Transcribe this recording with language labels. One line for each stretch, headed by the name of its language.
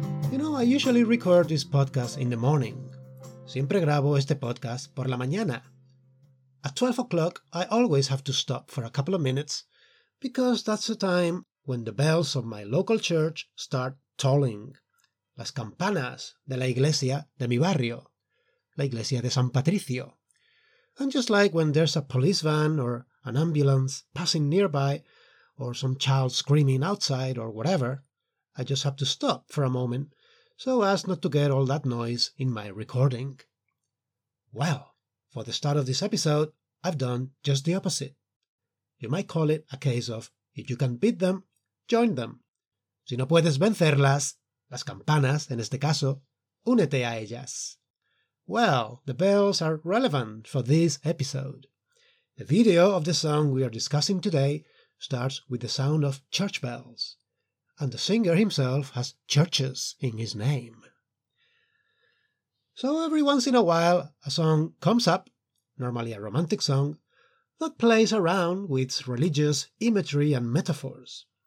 English: You know, I usually record this podcast in the morning.
Spanish: Siempre grabo este podcast por la mañana.
English: At 12 o'clock, I always have to stop for a couple of minutes because that's the time when the bells of my local church start tolling.
Spanish: Las campanas de la iglesia de mi barrio, la iglesia de San Patricio.
English: And just like when there's a police van or an ambulance passing nearby or some child screaming outside or whatever, I just have to stop for a moment so as not to get all that noise in my recording. Well, for the start of this episode, I've done just the opposite. You might call it a case of, if you can beat them, join them.
Spanish: Si no puedes vencerlas, las campanas, en este caso, únete a ellas.
English: Well, the bells are relevant for this episode. The video of the song we are discussing today starts with the sound of church bells, and the singer himself has churches in his name. So every once in a while, a song comes up, normally a romantic song, that plays around with religious imagery and metaphors.